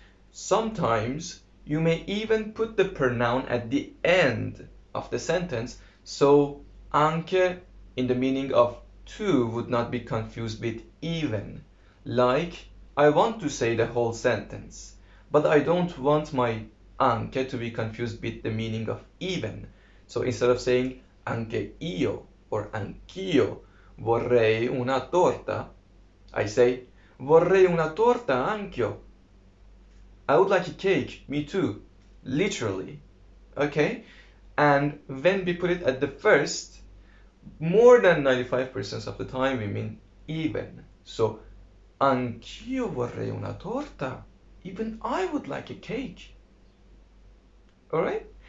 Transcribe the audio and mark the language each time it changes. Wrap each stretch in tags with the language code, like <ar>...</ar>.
<en>Sometimes you may even put the pronoun at the end of the sentence, so anche in the meaning of too would not be confused with even. Like, I want to say the whole sentence, but I don't want my anche to be confused with the meaning of even. So instead of saying anche io or</en> <it>anch'io vorrei una torta,</it> <en>I say</en> <it>vorrei una torta anch'io.</it> <en>I would like a cake, me too, literally. Okay? And when we put it at the first, more than 95% of the time we mean even.</en> <it>So anch'io vorrei una torta.</it> <en>Even I would like a cake. Alright?</en>